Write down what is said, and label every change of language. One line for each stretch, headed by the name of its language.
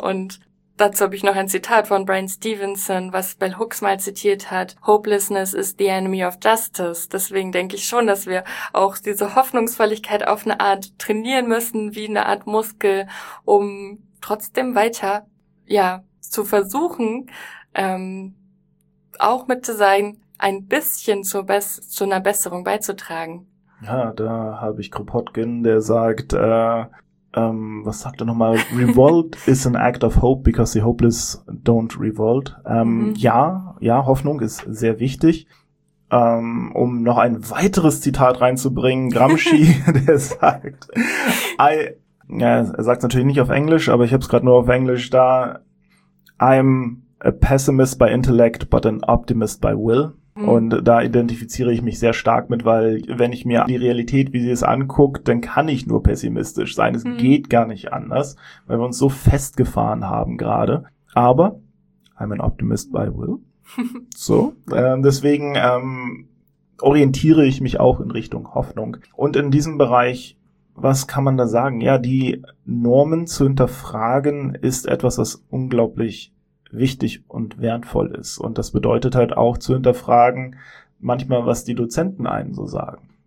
German: Und dazu habe ich noch ein Zitat von Bryan Stevenson, was Bell Hooks mal zitiert hat.
English: Hopelessness is the enemy of justice.
German: Deswegen denke ich schon, dass wir auch diese Hoffnungsvolligkeit auf eine Art trainieren müssen, wie eine Art Muskel, um trotzdem weiter, ja, zu versuchen, auch mit zu sein, ein bisschen zu einer Besserung beizutragen. Ja, da habe ich Kropotkin, der sagt, was sagt er nochmal?
English: Revolt is an act of hope because the hopeless don't revolt.
German: Ja, Hoffnung ist sehr wichtig. Um noch ein weiteres Zitat reinzubringen, Gramsci, der sagt, er sagt es natürlich nicht auf Englisch, aber ich habe es gerade nur auf Englisch da.
English: I'm a pessimist by intellect, but an optimist by will.
German: Und da identifiziere ich mich sehr stark mit, weil wenn ich mir die Realität, wie sie es anguckt, dann kann ich nur pessimistisch sein. Es geht gar nicht anders, weil wir uns so festgefahren haben gerade. Aber
English: I'm an optimist by will.
German: So, deswegen orientiere ich mich auch in Richtung Hoffnung. Und in diesem Bereich, was kann man da sagen? Ja, die Normen zu hinterfragen ist etwas, was unglaublich wichtig und wertvoll ist. Und das bedeutet halt auch zu hinterfragen, manchmal, was die Dozenten einen so sagen.